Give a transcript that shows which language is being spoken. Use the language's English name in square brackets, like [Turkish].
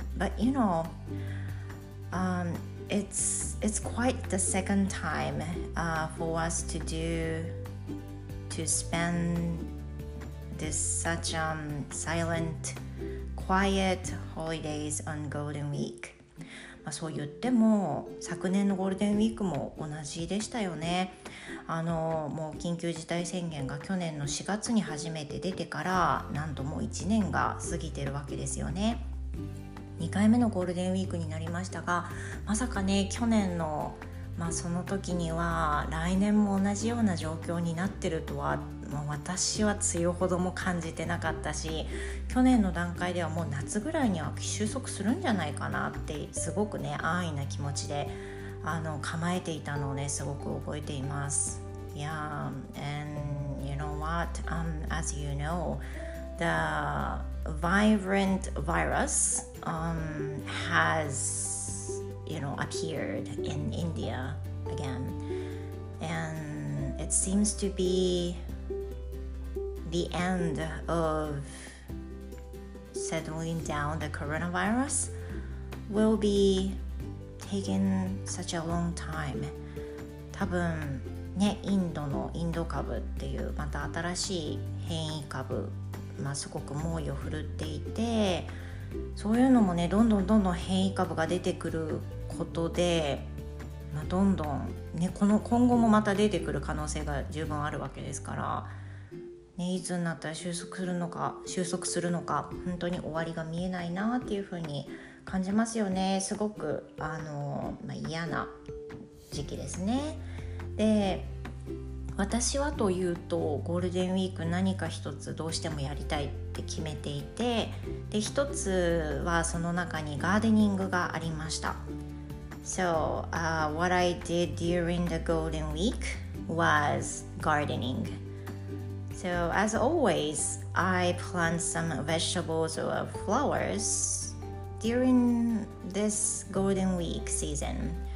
[English] But you know, it's quite the second time for us to spend this such silent, quiet holidays on Golden Week. [Japanese] まあそう言っても、昨年のゴールデンウィークも同じでしたよね。もう緊急事態宣言が去年の4月に初めて出てから、なんともう1年が過ぎてるわけですよね。 2回目のゴールデンウィークになりましたが、まさかね、去年の、その時には来年も同じような状況になってるとは、私は梅雨ほども感じてなかったし、去年の段階ではもう夏ぐらいには収束するんじゃないかなって、すごくね、安易な気持ちで構えていたのをね、すごく覚えています。 [English] Yeah, and you know what? As you know, the virulent virus has, you know, appeared in India again. And it seems to beThe end of settling down the coronavirus will be taking such a long time. [Japanese] 多分ね、インドのインド株っていうまた新しい変異株、すごく猛威を振るっていて、そういうのもね、どんどんどんどん変異株が出てくることで、どんどんね、この今後もまた出てくる可能性が十分あるわけですから。ね、いつになったら収束するのか本当に終わりが見えないなっていう風に感じますよね。すごく嫌な時期ですね。で、私はというとゴールデンウィーク何か一つどうしてもやりたいって決めていて、で、一つはその中にガーデニングがありました。 [English] So, what I did during the Golden Week was gardening. So, as always, I plant some vegetables or flowers during this Golden Week season.